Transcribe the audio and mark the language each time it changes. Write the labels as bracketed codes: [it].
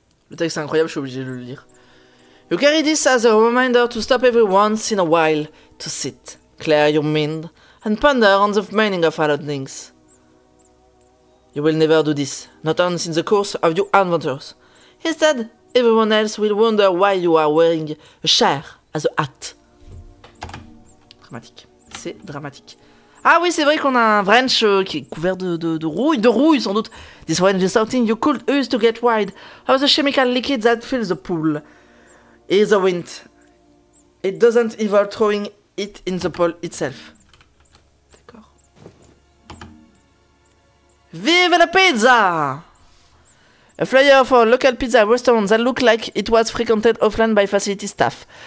[fr] Le texte est incroyable, je suis obligé de le lire. [en] You carry this as a reminder to stop every once in a while to sit, clear your mind, and ponder on the meaning of all things. You will never do this, not only in the course of your adventures. Instead, everyone else will wonder why you are wearing a chair as a hat. Dramatique. C'est dramatique. [fr] Ah oui, c'est vrai qu'on a un wrench qui est couvert de rouille, sans doute. [en] This wrench is something you could use to get rid of the chemical liquid that fills the pool. Et the wind. It doesn't involve throwing it in the pool itself. D'accord. Vive la pizza! A flyer for a local pizza restaurant that looked like it was frequented offline by facility staff.